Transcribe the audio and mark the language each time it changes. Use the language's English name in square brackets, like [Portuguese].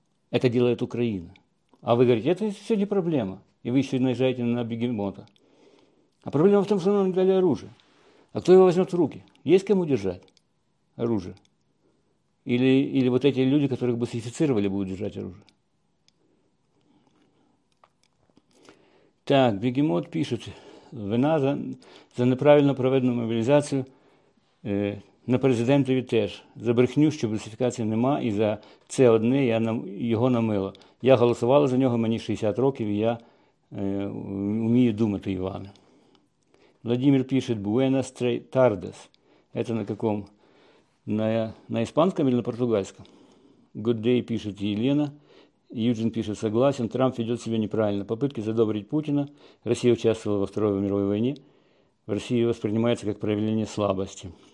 [Russian] Это делает Украина. А вы говорите, это все не проблема. И вы еще наезжаете на бегемота. А проблема в том, что нам дали оружие. А кто его возьмет в руки? Есть кому держать оружие? Или вот эти люди, которых бы сертифицировали, будут держать оружие. [Ukrainian] Так, [Russian] Бегемот пишет, [Ukrainian] вина за неправильно проведену мобілізацію на президентові теж. За брехню, що мобілізації нема, і за це одне я його намила. Я голосувала за нього, мені 60 років, і я вмію думати, Іване. [Russian] Владимир пишет, Буенас Тардес. Это на какому? На испанском или на португальском? [English] Good day, [Russian] пишет Елена. Юджин пишет, согласен, Трамп ведет себя неправильно. Попытки задобрить Путина. Россия участвовала во Второй мировой войне. В России воспринимается как проявление слабости.